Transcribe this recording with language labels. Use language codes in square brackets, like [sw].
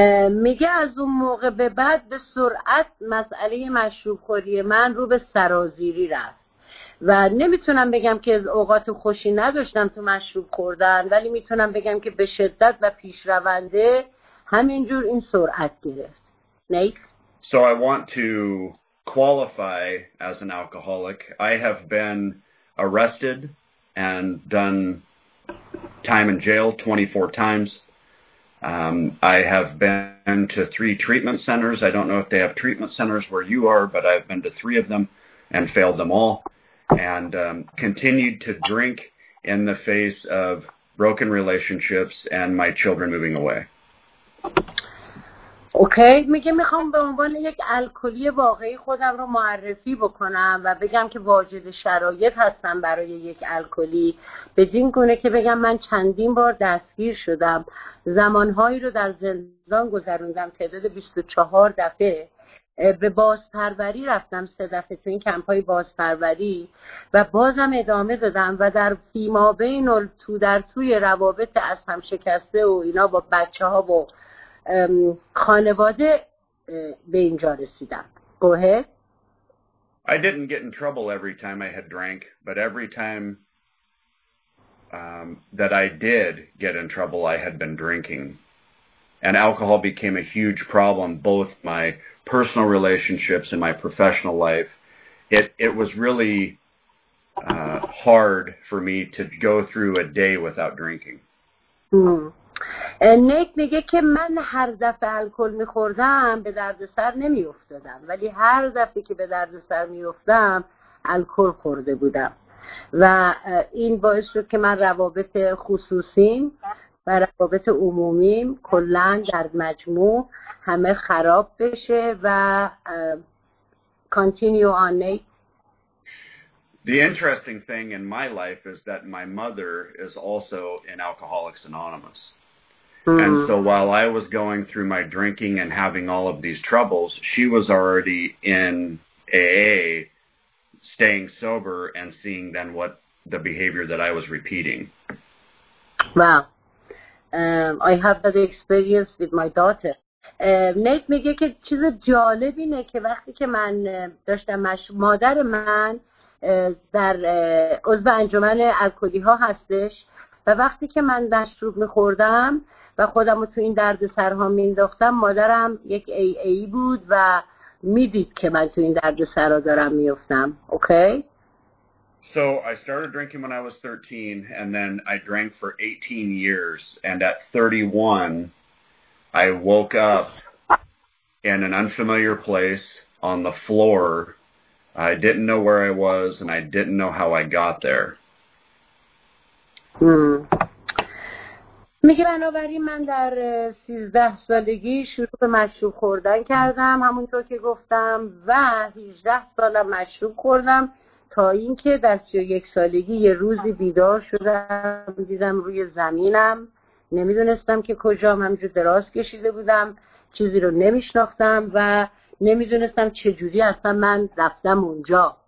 [fa] میگه از اون موقع به بعد به سرعت مسئله مشروب خوری من رو به سرازیری رفت و نمیتونم بگم که اوقات خوشی نداشتم تو مشروب خوردن ولی میتونم بگم که به شدت و پیشرونده همینجور این سرعت گرفت. نیک؟ [en] So I want to qualify as an alcoholic. I have been arrested and done time in jail 24 times. I have been to 3 treatment centers. I don't know if they have treatment centers where you are, but I've been to 3 of them and failed them all and continued to drink in the face of broken relationships and my children moving away. [fa] اوکی میگه میخوام به عنوان یک الکلی واقعی خودم رو معرفی بکنم و بگم که واجد شرایط هستم برای یک الکلی، بدین گونه که بگم من چندین بار دستگیر شدم، زمانهایی رو در زندان گذروندم، تعداد 24 دفعه به بازپروری رفتم، 3 دفعه تو این کمپ های بازپروری و بازم ادامه دادم و در فیما بین و تو در توی روابط از هم شکسته و اینا با بچه ها و خانواده به اینجا رسیدم. [en] Go ahead. I didn't get in trouble every time I had drank, but every time that I did get in trouble, I had been drinking. And alcohol became a huge problem, both my personal relationships and my professional life. It was really hard for me to go through a day without drinking. [fa] نیک میگه که من هر دفعه الکل میخوردم به درد سر نمیافتادم، ولی هر دفعه که به درد سر میافتادم الکل خورده بودم و این باعث شد که من روابط خصوصیم و روابط عمومیم کلن در مجموع همه خراب بشه و [en] continue on. [fa] Nate. [en] The interesting thing in my life is that my mother is also in Alcoholics Anonymous. And so while I was going through my drinking and having all of these troubles, she was already in AA, staying sober and seeing then what the behavior that I was repeating. Wow. I have that experience with my daughter. [fa] Nate میگه که چیز جالب اینه که وقتی که من داشتم مادر من در عضو انجمن الکلی ها هستش و وقتی که من مشروب میخوردم و خودم رو تو این درد سرها مینداختم، مادرم یک ای ای بود و میدید که من تو این درد سرها دارم میفتم. اوکی؟ [en] So I started drinking when I was 13 and then I drank for 18 years and at 31 I woke up in an unfamiliar place on the floor. I didn't know where I was and I didn't know how I got there. میگه بنابراین من در 13 سالگی شروع به مشروب خوردن کردم، همونطور که گفتم، و 18 سالم مشروب خوردم تا اینکه در 31 سالگی یه روزی بیدار شدم، دیدم روی زمینم، نمیدونستم که کجام، همینجور دراز کشیده بودم، چیزی رو نمیشناختم و نمیدونستم چجوری اصلا من رفتم اونجا.